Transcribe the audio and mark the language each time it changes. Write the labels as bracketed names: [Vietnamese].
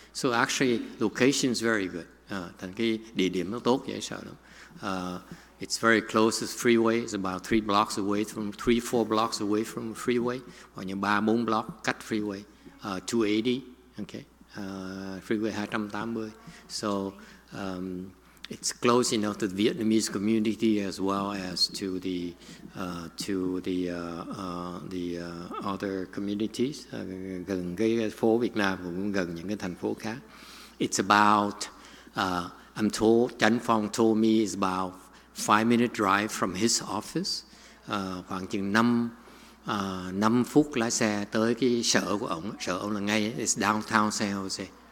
[English] So actually, location is very good. [Vietnamese] Thành cái địa điểm nó tốt dễ sợ lắm. [English] It's very close to the freeway. It's about three, four blocks away from the freeway. [Vietnamese] Hoặc như 3-4 block cách freeway. [English] 280, okay. Freeway 280. So it's close enough to the Vietnamese community as well as to the other communities. [Vietnamese] Gần cái phố Việt Nam cũng gần những cái thành phố khác. [English] It's about I'm told Chánh Phong told me it's about 5-minute drive from his office. [Vietnamese] Khoảng chừng 5 phút lái xe tới cái sở của ông. Sở ông là ngay, [English] it's downtown San Jose.